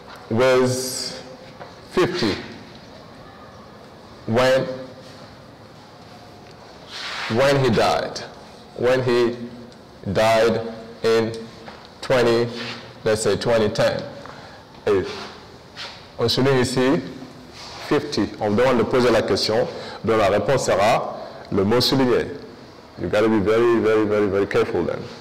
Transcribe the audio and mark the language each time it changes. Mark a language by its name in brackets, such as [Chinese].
[English] was 50 when he died in 20, let's say 2010. [French] On souligne ici 50. On demande de poser la question dont la réponse sera le mot souligné. [English] You gotta be very, very, very, very careful then.